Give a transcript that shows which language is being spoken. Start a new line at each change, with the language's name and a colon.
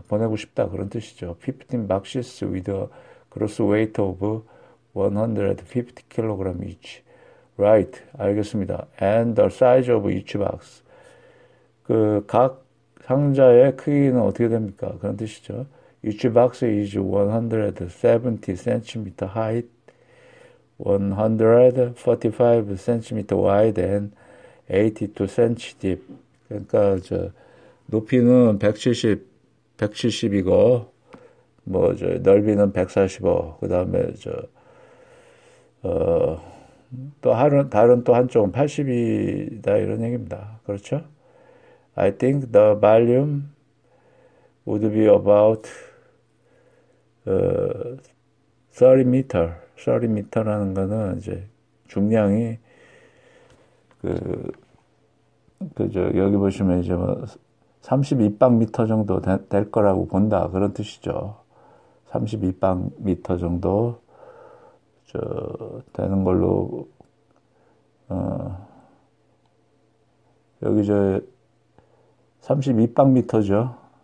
Korean: 보내고 싶다 그런 뜻이죠.
English: 15 boxes with a gross weight of 150kg each. Right.
Korean: 알겠습니다.
English: And the size of each box.
Korean: 그 각 상자의 크기는 어떻게 됩니까? 그런 뜻이죠.
English: Each box is 170cm height, 145cm wide and 82cm deep.
Korean: 그러니까 저 높이는 170이고 뭐 저 넓이는 145. 그다음에 저 또 다른 또 한쪽은 80이다 이런 얘기입니다. 그렇죠?
English: I think the volume would be about 30m.
Korean: 30m라는 거는 이제 중량이 그저 여기 보시면 이제 뭐 32방미터 정도 될 거라고 본다. 그런 뜻이죠. 32방미터 정도 저 되는 걸로 여기 저 32방미터죠.